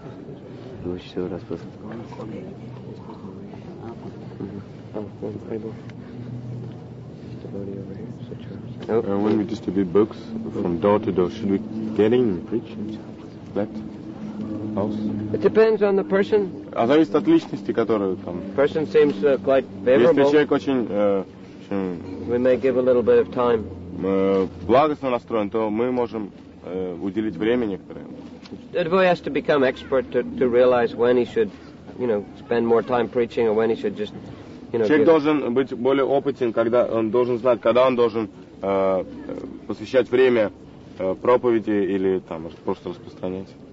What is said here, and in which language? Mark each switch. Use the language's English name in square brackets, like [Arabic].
[English] When we distribute books from door to door, should we get in and preach in that house? It depends on the person. [Russian] А зависит от личности, которую там. [English] Person seems quite favorable. [Russian] Если человек очень [English] we may give a little bit of time. [Russian] Благостно настроен, то мы можем уделить время некоторым. [English] The devotee has to become expert to realize when he should, you know, spend more time preaching or when he should just, you know. [Russian] Человек должен быть более опытен, когда он должен знать, когда он должен посвящать время проповеди или там просто распространять.